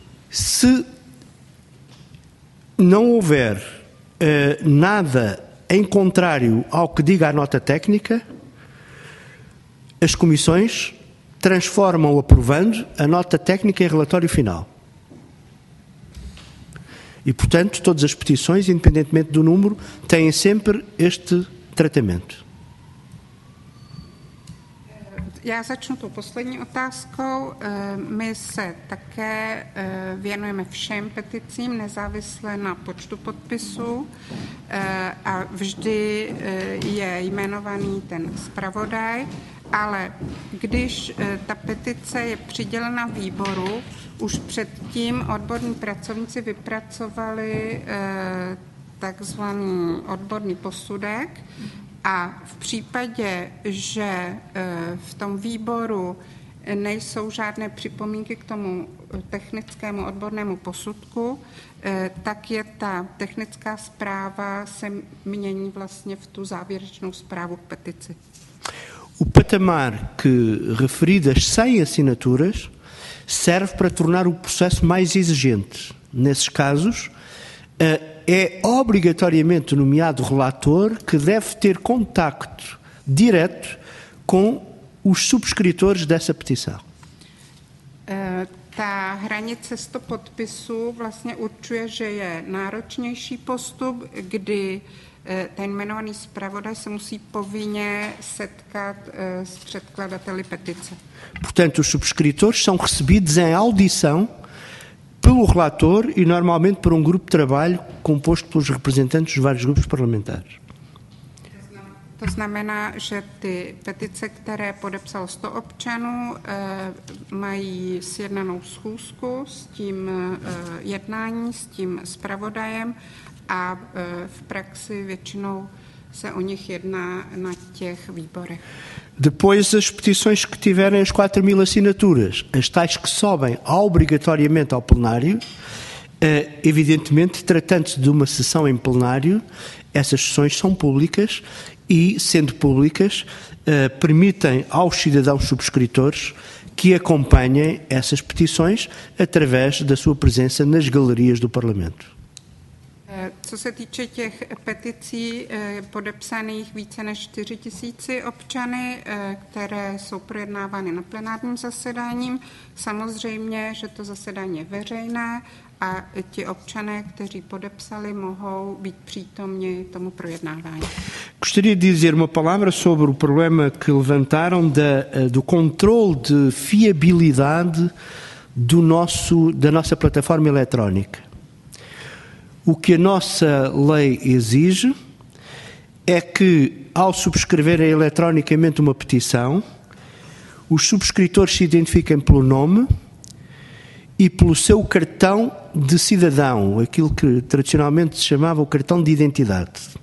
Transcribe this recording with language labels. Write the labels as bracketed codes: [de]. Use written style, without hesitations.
[pt] Se não houver nada em contrário ao que diga a nota técnica, as comissões transformam, aprovando, a nota técnica em relatório final. E, portanto, todas as petições, independentemente do número, têm sempre este tratamento. [cs] Já začnu tou poslední otázkou. My se také věnujeme všem peticím, nezávisle na počtu podpisů. A vždy je jmenovaný ten zpravodaj. Ale když ta petice je přidělena výboru, už předtím odborní pracovníci vypracovali takzvaný odborný posudek. A v případě, že v tom výboru nejsou žádné připomínky k tomu technickému odbornému posudku, tak je ta technická zpráva se mění vlastně v tu závěrečnou zprávu k petici. [pt] O patamar que referi das 100 assinaturas serve para tornar o processo mais exigente. Nesses casos, é obrigatoriamente nomeado relator que deve ter contacto direto com os subscritores dessa petição. [cs] Ta hranice 100 podpisů vlastně určuje, že je náročnější postup, kdy ten jmenovaný zpravodaj se musí povinně setkat s předkladateli petice. [pt] Portanto, os subscritores são recebidos em audição pelo relator e normalmente por grupo de trabalho composto pelos representantes dos vários grupos parlamentares. [cs] To znamená, že ty petice, které podepsal 100 občanů, mají sjednanou schůzku s tím jednání, s tím zpravodajem a v praxi většinou se o nich jedná na těch výborech. [pt] Depois as petições que tiverem as 4 mil assinaturas, as tais que sobem obrigatoriamente ao plenário, evidentemente, tratando-se de uma sessão em plenário, essas sessões são públicas e, sendo públicas, permitem aos cidadãos subscritores que acompanhem essas petições através da sua presença nas galerias do Parlamento. [cs] Co se týče těch peticí podepsaných více než 4 tisíci občany, které jsou projednávány na plenárním zasedání, samozřejmě, že to zasedání je veřejné a ti občané, kteří podepsali, mohou být přítomni tomu projednávání. [pt] Gostaria de dizer uma palavra sobre o problema que levantaram do controle de fiabilidade da nossa plataforma eletrónica. O que a nossa lei exige é que, ao subscreverem eletronicamente uma petição, os subscritores se identifiquem pelo nome e pelo seu cartão de cidadão, aquilo que tradicionalmente se chamava o cartão de identidade.